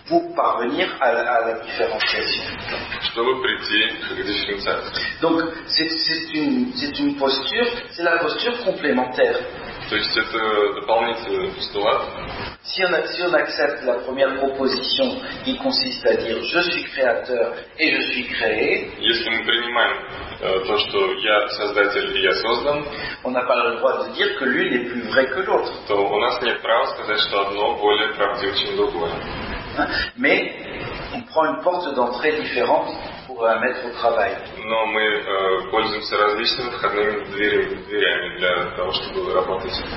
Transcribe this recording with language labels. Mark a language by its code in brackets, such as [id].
[fr] pour parvenir à la différenciation. [ru] Чтобы прийти к дифференциации. [fr] Donc c'est une posture, c'est la posture complémentaire. [ru] То есть это дополнительный постулат. [fr] Si on accepte la première proposition qui consiste à dire je suis créateur et je suis créé, [ru] если мы принимаем то, что я создатель и я создан, [fr] on n'a pas le droit de dire que l'une est plus vraie que l'autre. [ru] То у нас нет права сказать, что одно более правдиво, чем другое. [fr] Hein? Mais on prend une porte d'entrée différente pour la mettre au travail. [ru] Но мы пользуемся различными входными дверями для того, чтобы работать.